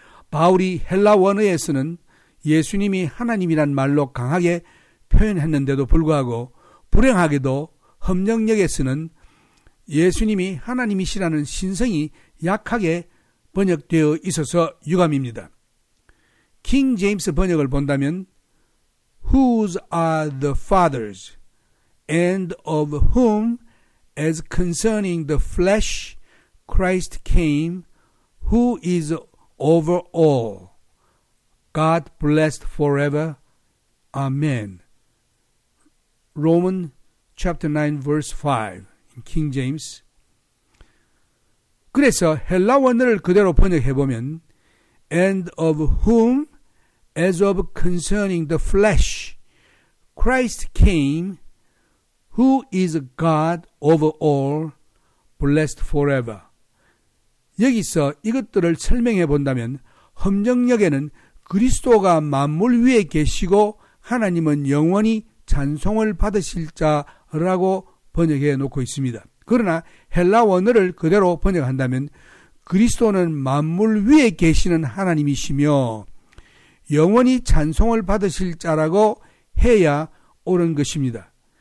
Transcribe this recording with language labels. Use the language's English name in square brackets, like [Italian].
[Korean] 바울이 헬라 원어에서는 예수님이 하나님이란 말로 강하게 표현했는데도 불구하고 불행하게도 험령역에서는 예수님이 하나님이시라는 신성이 약하게 번역되어 있어서 유감입니다. 킹 제임스 번역을 본다면 [English] Whose are the fathers? And of whom, as concerning the flesh, Christ came, who is over all? God blessed forever. Amen. Romans chapter 9, verse 5, in King James. [Korean] 그래서 헬라 원어를 그대로 번역해보면, [English] And of whom, as of concerning the flesh, Christ came, Who is God over all, blessed forever? [Korean] 여기서 이것들을 설명해 본다면 험정역에는 그리스도가 만물 위에 계시고 하나님은 영원히 찬송을 받으실 자라고 번역해 놓고 있습니다. 그러나 헬라 원어를 그대로 번역한다면 그리스도는 만물 위에 계시는 하나님이시며 영원히 찬송을 받으실 자라고 해야 옳은 것입니다.